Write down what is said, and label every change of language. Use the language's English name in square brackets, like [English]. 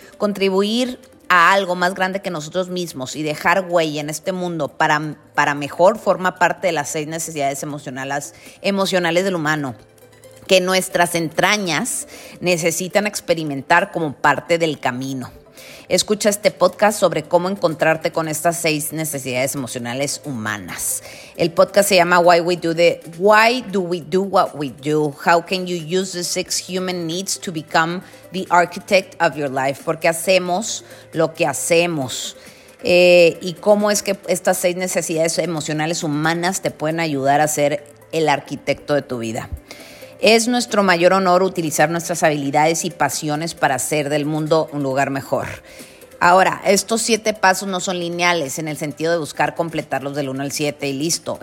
[Spanish] Contribuir a algo más grande que nosotros mismos y dejar huella en este mundo para mejor forma parte de las 6 necesidades emocionales del humano, que nuestras entrañas necesitan experimentar como parte del camino. Escucha este podcast sobre cómo encontrarte con estas 6 necesidades emocionales humanas. El podcast se llama [English] Why Do We Do What We Do? How can you use the 6 human needs to become the architect of your life? [Spanish] ¿Por qué hacemos lo que hacemos? ¿Y cómo es que estas 6 necesidades emocionales humanas te pueden ayudar a ser el arquitecto de tu vida? Es nuestro mayor honor utilizar nuestras habilidades y pasiones para hacer del mundo un lugar mejor. Ahora, estos 7 pasos no son lineales en el sentido de buscar completarlos del 1 al 7 y listo.